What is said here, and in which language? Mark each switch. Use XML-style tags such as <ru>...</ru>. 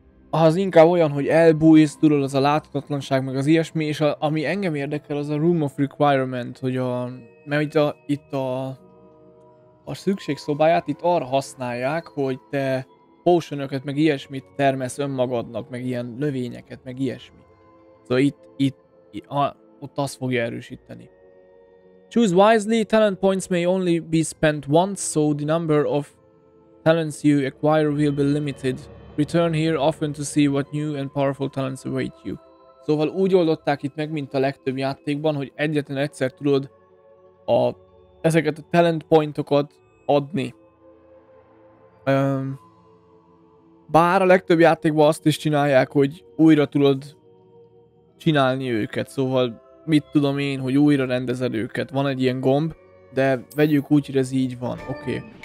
<hu>az inkább olyan, hogy elbújsz, tudod, az a láthatatlanság, meg az ilyesmi, és a, ami engem érdekel, az a room of requirement, hogy a, mert itt a, itt a szükségszobáját itt arra használják, hogy te potionöket, meg ilyesmit termesz önmagadnak, meg ilyen növényeket, meg ilyesmi. Szóval ott azt fogja erősíteni.</hu> <en>Choose wisely, talent points may only be spent once, so the number of talents you acquire will be limited. Return here often to see what new and powerful talents await you.</en> <hu>Szóval úgy oldották itt meg, mint a legtöbb játékban, hogy egyetlen egyszer tudod ezeket a talent pointokat adni. Bár a legtöbb játékban azt is csinálják, hogy újra tudod csinálni őket, szóval mit tudom én, hogy újra rendezed őket, van egy ilyen gomb, de vegyük úgy, hogy ez így van, oké. Okay.</hu>